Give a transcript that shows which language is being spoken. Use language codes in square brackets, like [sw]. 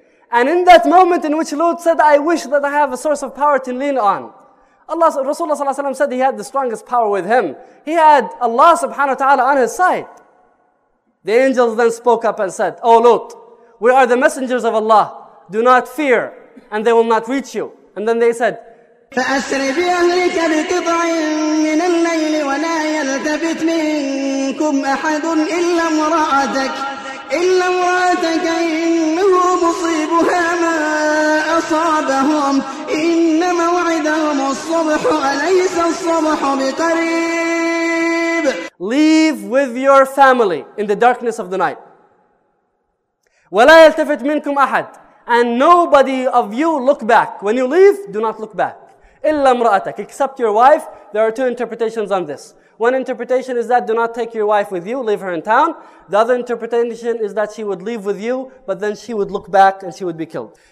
[en] And in that moment in which Lut said, I wish that I have a source of power to lean on, Rasulullah ﷺ said he had the strongest power with him. He had Allah subhanahu wa ta'ala on his side. The angels then spoke up and said, O Lut, we are the messengers of Allah. Do not fear, and they will not reach you. And then they said, [ar] فأسر بأهلك بقطع من الليل ولا يلتفت منكم أحد إلا امرأتك إلا امرأتك إنه مصيبها ما أصابهم إن موعدهم الصبح أليس الصبح بقريب. [en] Leave with your family in the darkness of the night. [ar] ولا يلتفت منكم أحد. [en] And nobody of you look back. When you leave, do not look back. [ar] إلا امرأتك, [en] except your wife. There are two interpretations on this. One interpretation is that do not take your wife with you, leave her in town. The other interpretation is that she would leave with you, but then she would look back and she would be killed.